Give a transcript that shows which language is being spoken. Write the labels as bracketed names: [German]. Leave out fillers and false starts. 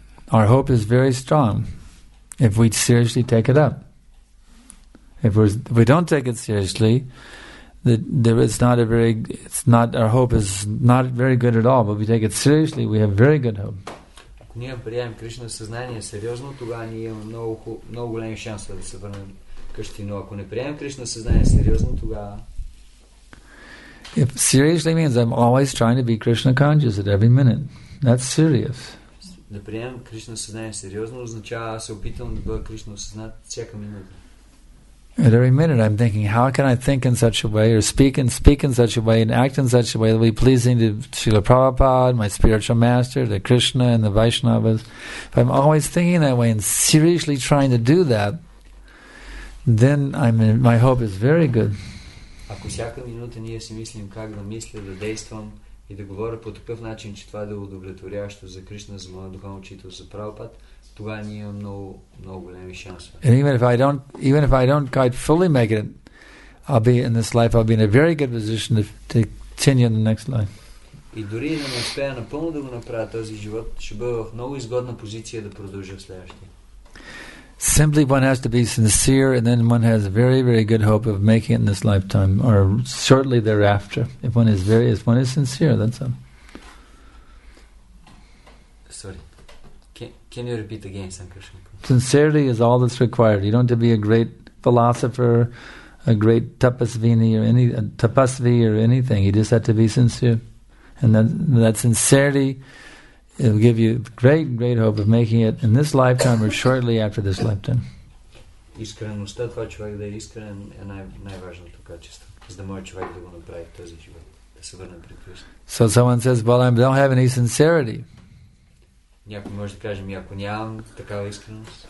[English] Our hope is very strong if we seriously take it up. If we don't take it seriously, our hope is not very good at all. But if we take it seriously, we have very good hope. [Bulgarian] Ако ние приемем Кришна съзнание сериозно, тогава ние имаме много, много големи шансове да се върнем къщи. Но ако не приемем Кришна съзнание сериозно, тогава... [English] If seriously means I'm always trying to be Krishna conscious at every minute. That's serious. [Bulgarian] Да приемем Кришна съзнание сериозно означава аз се опитвам да бъда Кришна осъзнат всяка минута. [English] At every minute I'm thinking, how can I think in such a way, or speak in such a way, and act in such a way that will be pleasing to Srila Prabhupada, my spiritual master, to Krishna and the Vaishnavas. If I'm always thinking that way and seriously trying to do that, then my hope is very good. [Bulgarian] Ако всяка минута ние си мислим как да мисля, да действам и да говоря по такъв начин, че това е удовлетворящо за Кришна, за моя духовен учител, за Прабхупад, [English] and even if I don't quite fully make it, I'll be in this life, I'll be in a very good position to continue in the next life. [Bulgarian] И дори да не успея напълно да го направя този живот, ще бъда в много изгодна позиция да продължа в следващия. [English] Simply one has to be sincere, and then one has a very, very good hope of making it in this lifetime or shortly thereafter. If one is sincere, that's all. Can you repeat again, Sankarshan? Sincerity is all that's required. You don't have to be a great philosopher, a great tapasvini or any tapasvi or anything. You just have to be sincere, and that sincerity, it will give you great hope of making it in this lifetime or shortly after this lifetime. [Bulgarian] Искреността, това човек да е искрен, е най-важното качество, за да може човек да го направи този живот, да се върне при Кришна. [English] So someone says, well, I don't have any sincerity. [Bulgarian] Някой може да каже, ако нямам такава искреност.